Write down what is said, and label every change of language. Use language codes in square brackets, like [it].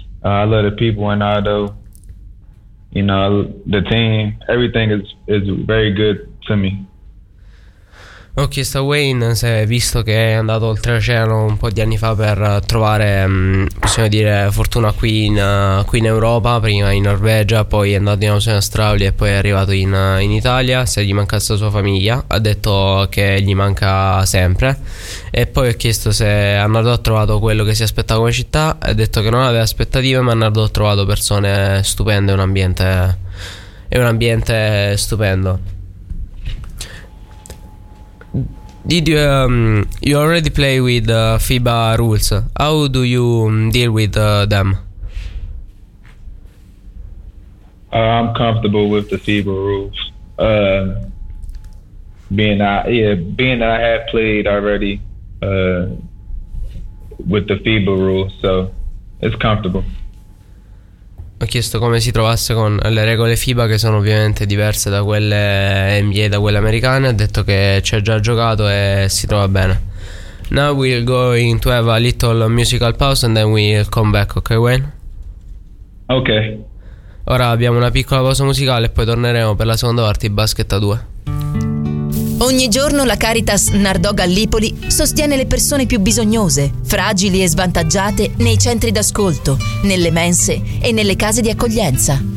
[en] I love the people in Nardò, you know, the team, everything is very good to me. [it] Ho chiesto a Wayne se, visto che è andato oltreoceano un po' di anni fa per trovare, possiamo dire, fortuna qui in Europa, prima in Norvegia, poi è andato in Australia e poi è arrivato in Italia, se gli mancasse la sua famiglia. Ha detto che gli manca sempre, e poi ho chiesto se Nardò ha trovato quello che si aspettava come città. Ha detto che non aveva aspettative, ma Nardò ha trovato persone stupende e un ambiente stupendo. [en] Did you already play with FIBA rules? How do you deal with them? I'm comfortable with the FIBA rules. Being that I have played already with the FIBA rules, so it's comfortable. [it] Ho chiesto come si trovasse con le regole FIBA, che sono ovviamente diverse da quelle NBA, da quelle americane. Ha detto che ci ha già giocato e si trova bene. [en] Now we'll go into have a little musical pause and then we'll come back, ok Wayne? Ok. [it] Ora abbiamo una piccola pausa musicale e poi torneremo per la seconda parte di Basket a 2. Ogni giorno la Caritas Nardò Gallipoli sostiene le persone più bisognose, fragili e svantaggiate nei centri d'ascolto, nelle mense e nelle case di accoglienza.